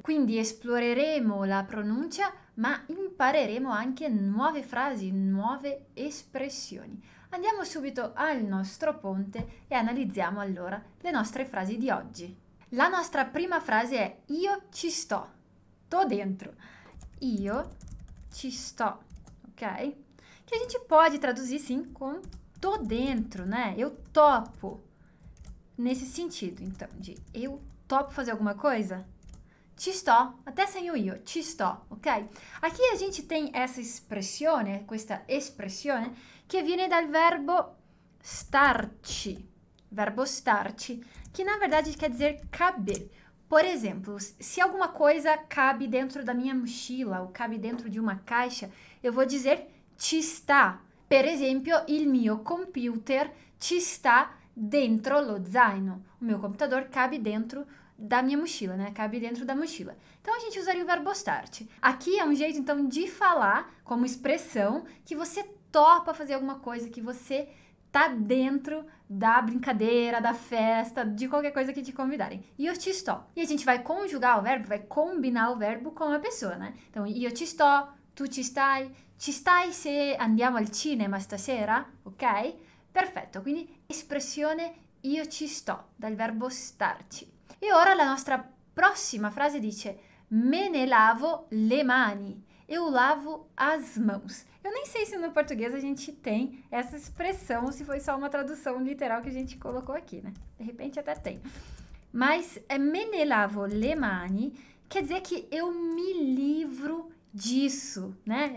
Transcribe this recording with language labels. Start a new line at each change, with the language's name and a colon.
Italian: Quindi esploreremo la pronuncia, ma impareremo anche nuove frasi, nuove espressioni. Andiamo subito al nostro ponte e analizziamo allora le nostre frasi di oggi. La nostra prima frase è io ci sto.
Portuguese: Tô dentro.
Italian: Io ci sto, ok?
Portuguese: Che a gente pode traduzir sim com tô dentro, né? Eu topo. Nesse sentido, então, de eu topo fazer alguma coisa?
Italian: Ci sto,
Portuguese: até sem o
Italian: io, ci sto, ok?
Portuguese: Aqui a gente tem essa expressione,
Italian: questa espressione, che viene dal verbo starci.
Portuguese: Verbo starci, che na verdade quer dizer caber. Por exemplo, se alguma coisa cabe dentro da minha mochila ou cabe dentro de uma caixa, eu vou dizer
Italian: ci sta. Per esempio, il mio computer ci sta dentro lo zaino.
Portuguese: O meu computador cabe dentro da minha mochila, né? Cabe dentro da mochila. Então a gente usaria o verbo starci. Aqui é um jeito então de falar como expressão que você topa fazer alguma coisa, que você tá dentro da brincadeira, da festa, de qualquer coisa que te convidarem.
Italian: Io ci sto.
Portuguese: E a gente vai conjugar o verbo, vai combinar o verbo com a pessoa, né?
Italian: Então io ci sto, tu ci stai se andiamo al cinema stasera, ok? Perfetto, quindi espressione io ci sto dal verbo starci. E ora la nostra prossima frase dice: me ne lavo le mani.
Portuguese: Eu lavo as mãos. Eu nem sei se no português a gente tem essa expressão, se foi só uma tradução literal que a gente colocou aqui, né? De repente até tem. Mas é
Italian: me ne lavo le mani,
Portuguese: quer dizer que eu me livro disso, né?